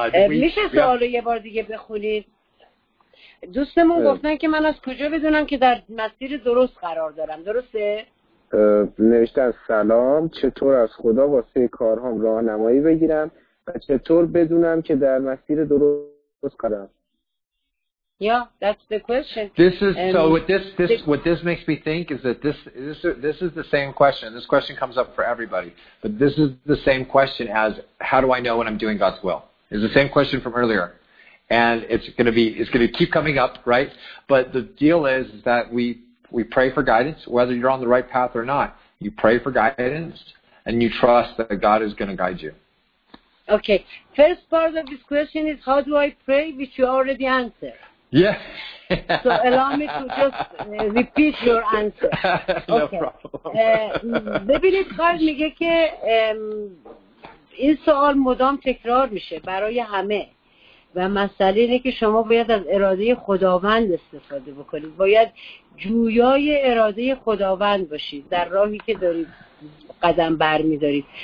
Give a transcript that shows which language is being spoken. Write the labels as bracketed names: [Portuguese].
[Persian] میشه سوال رو یه بار دیگه بخونید. دوستمون گفتن که من از کجا بدونم که در مسیر درست قرار دارم. درسته؟ نوشتن سلام. چطور از خدا واسه کارهام راهنمایی بگیرم و چطور بدونم که در مسیر درست قرارم؟ [English] Yeah, that's the question. This is what this makes me think is that this is the same question. This question comes up for everybody, but this is the same question as how do I know when I'm doing God's will? It's the same question from earlier, and it's going to keep coming up, right? But the deal is that we pray for guidance whether you're on the right path or not. You pray for guidance and you trust that God is going to guide you. Okay, first part of this question is how do I pray, which you already answered. Yeah. So allow me to just repeat your answer. No problem. [Persian] ببینید خواهد میگه که این سوال مدام تکرار میشه برای همه و مسئله اینه که شما باید از اراده خداوند استفاده بکنید، باید جویای اراده خداوند باشید در راهی که دارید قدم بر میدارید.